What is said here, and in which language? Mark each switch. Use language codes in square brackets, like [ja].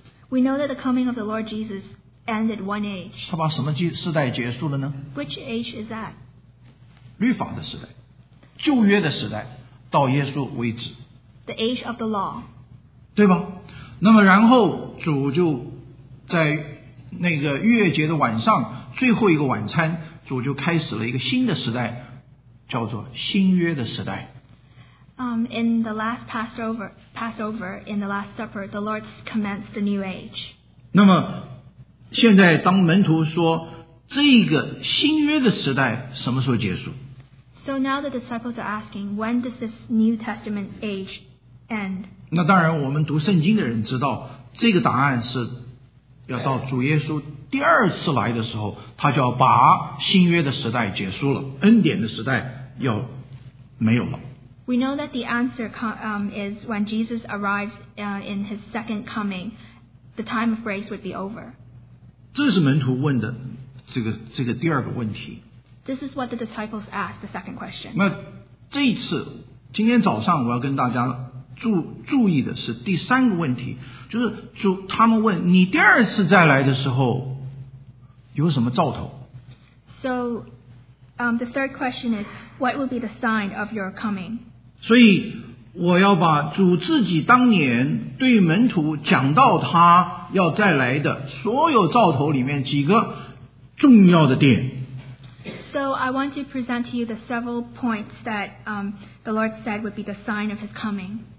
[en] We know that the coming of the Lord Jesus ended one age. [zh] 他把什么世代结束了呢? [en] Which age is that? [zh] 律法的时代, 旧约的时代。到耶稣为止, [en] the age of the law. [zh] 对吧? 那么然后主就在那个逾越节的晚上, 最后一个晚餐, 主就开始了一个新的时代, 叫做新约的时代。 [en] In the last Passover, in the Last Supper, the Lord commenced the new age. [zh] 那么现在当门徒说这个新约的时代什么时候结束？ [en] So now the disciples are asking, when does this New Testament age end? [zh] 那当然我们读圣经的人知道这个答案是要到主耶稣第二次来的时候，他就要把新约的时代结束了，恩典的时代要没有了。 [en] We know that the answer is when Jesus arrives in his second coming, the time of grace would be over. [zh] 这是门徒问的这个第二个问题。 [en] This is what the disciples asked, the second question. [zh] 那这一次，今天早上我要跟大家注意的是第三个问题，就是主他们问你第二次再来的时候有什么兆头。 [en] So, the third question is, what would be the sign of your coming? [zh] 所以我要把主自己当年对门徒讲到他要再来的所有兆头里面几个重要的点。 [en] So I want to present to you the several points that the Lord said would be the sign of his coming.